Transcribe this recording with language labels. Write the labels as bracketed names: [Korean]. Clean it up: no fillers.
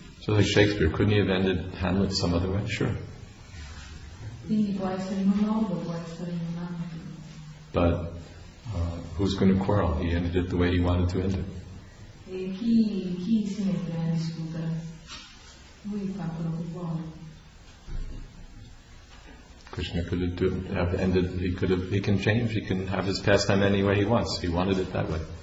[English] So like Shakespeare, couldn't he have ended Hamlet some other way? Sure. [Italian] Quindi può essere in un modo, può essere in un altro. [English] But who's going to quarrel? He ended it the way he wanted to end it. [Italian] E chi si mette a discutere? Lui fa quello che vuole. [English] Krishna could have ended. He could have. He can change. He can have his pastime any way he wants. He wanted it that way.